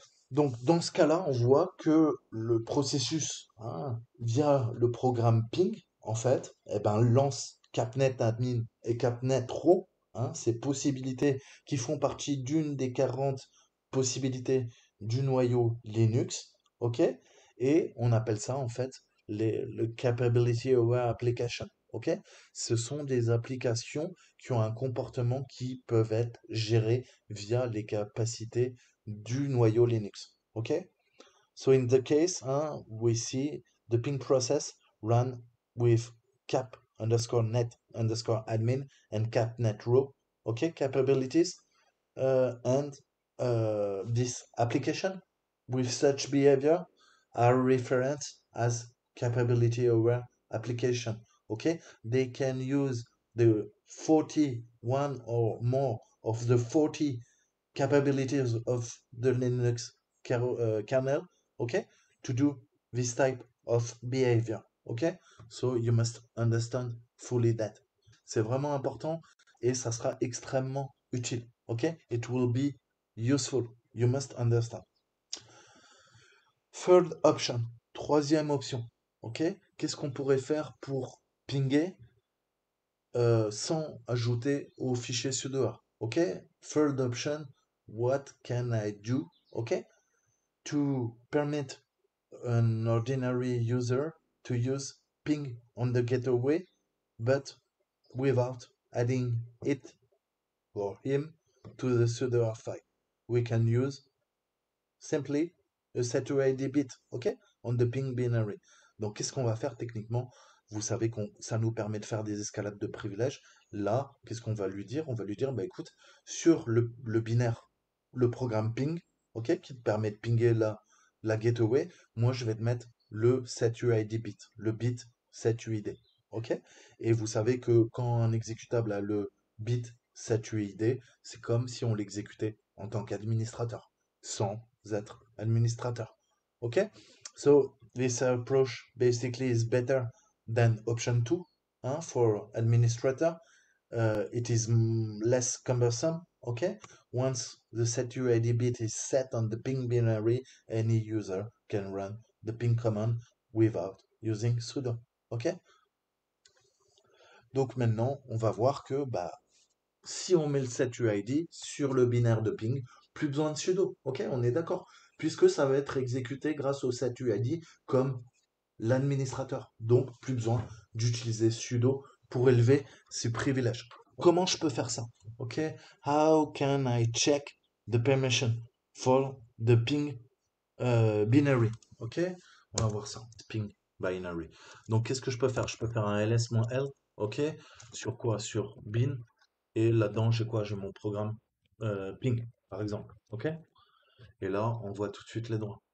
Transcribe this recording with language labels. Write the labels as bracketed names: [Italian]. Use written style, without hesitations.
[French] Donc, dans ce cas-là, on voit que le processus, hein, via le programme ping, en fait, eh ben, lance CAPNET admin et CAPNET RAW, hein, ces possibilités qui font partie d'une des 40 possibilités du noyau Linux. OK? Et on appelle ça, en fait, le Capability Aware Application. OK? Ce sont des applications qui ont un comportement qui peuvent être gérées via les capacités du noyau Linux. OK? [English] So, in the case, hein, we see the ping process run with cap underscore net underscore admin and capnet raw. OK? Capabilities and this application with such behavior are referred as capability aware application. Okay, they can use the 41 or more of the 40 capabilities of the Linux kernel, okay, to do this type of behavior. Okay, so you must understand fully that. [French] C'est vraiment important et ça sera extrêmement utile. [English] Okay, it will be useful. You must understand. Third option, [French] troisième option. Okay, qu'est-ce qu'on pourrait faire pour pinguer sans ajouter au fichier sudoer. OK? [English] Third option, what can I do? OK? To permit an ordinary user to use ping on the gateway, but without adding it or him to the sudoer file. We can use simply a saturated bit, OK? On the ping binary. [French] Donc, qu'est-ce qu'on va faire techniquement? Vous savez que ça nous permet de faire des escalades de privilèges. Là, qu'est-ce qu'on va lui dire? On va lui dire, bah, écoute, sur le binaire, le programme ping, okay, qui te permet de pinguer la gateway, moi, je vais te mettre le setuid bit, le bit setuid. Okay? Et vous savez que quand un exécutable a le bit setuid, c'est comme si on l'exécutait en tant qu'administrateur, sans être administrateur. Okay? [English] So, this approach, basically, is better than option 2 hein, for administrator. It is less cumbersome. Okay? Once the setuid bit is set on the ping binary, any user can run the ping command without using sudo. Okay? [French] Donc maintenant, on va voir que bah, si on met le setuid sur le binaire de ping, plus besoin de sudo. Ok, on est d'accord. Puisque ça va être exécuté grâce au setuid comme l'administrateur. Donc plus besoin d'utiliser sudo pour élever ses privilèges. Comment je peux faire ça? Ok. [English] How can I check the permission for the ping binary? [French] Ok. On va voir ça. [English] Ping binary. [French] Donc qu'est-ce que je peux faire? Je peux faire un ls-l. Ok. Sur quoi? Sur bin. Et là-dedans, j'ai quoi? J'ai mon programme ping, par exemple. Ok. Et là, on voit tout de suite les droits.